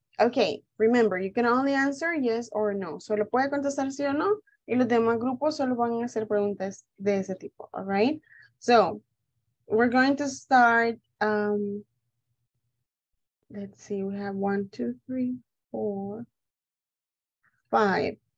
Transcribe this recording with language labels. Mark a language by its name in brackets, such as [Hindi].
[English] Okay, remember, you can only answer yes or no. [Spanish] Solo puede contestar sí o no. Y los demás grupos solo van a hacer preguntas de ese tipo, [English] all right? So, we're going to start, let's see, we have 1, 2, 3, 4, 5.